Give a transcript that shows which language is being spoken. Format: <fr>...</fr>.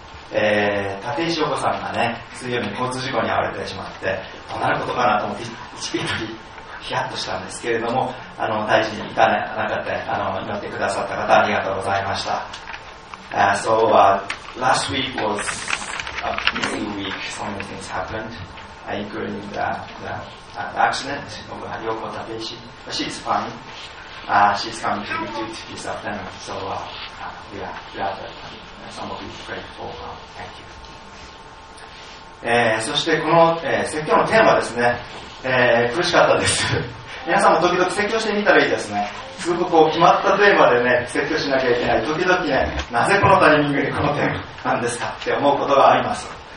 <ja>立石陽子さんがね、水曜日に交通事故に遭われてしまって、どうなることかなと思って、ヒヤッとしたんですけれども、あの大事に至らなかった、あの祈ってくださった方ありがとうございました。</ja> <en>So、last week was a busy week. So many things happened, including the accident of Ryoko Tateishi. She's fine. She's coming to visit this afternoon. So we are some of you prayed for her. Thank you.</en> <ja>そしてこの、説教のテーマですね、苦しかったです。皆さんも時々説教してみたらいいですね。すごくこう決まったテーマでね、説教しなきゃいけない。時々ね、なぜこのタイミングでこのテーマなんですかって思うことがあります。</ja>